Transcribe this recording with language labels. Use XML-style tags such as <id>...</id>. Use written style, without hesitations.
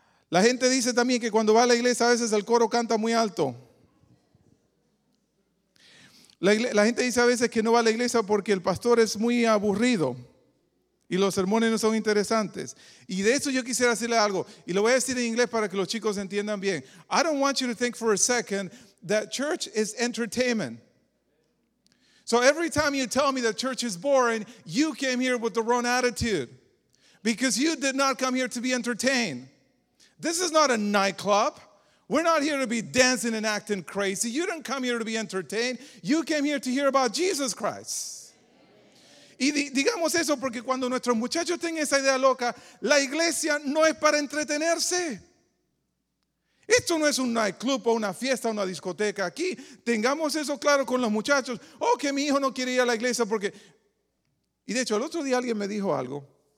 <es>La gente dice también que cuando va a la iglesia a veces el coro canta muy alto. La gente dice a veces que no va a la iglesia porque el pastor es muy aburrido y los sermones no son interesantes. Y de eso yo quisiera decirle algo, y lo voy a decir en inglés para que los chicos entiendan bien.</es> <en>I don't want you to think for a second that church is entertainment. So every time you tell me that church is boring, you came here with the wrong attitude. Because you did not come here to be entertained. This is not a nightclub. We're not here to be dancing and acting crazy. You didn't come here to be entertained. You came here to hear about Jesus Christ.</en> <es>Y digamos eso porque cuando nuestros muchachos tienen esa idea loca, la iglesia no es para entretenerse. Esto no es un nightclub o una fiesta o una discoteca. Aquí tengamos eso claro con los muchachos. Oh, que mi hijo no quiere ir a la iglesia porque... Y de hecho, el otro día alguien me dijo algo.</es>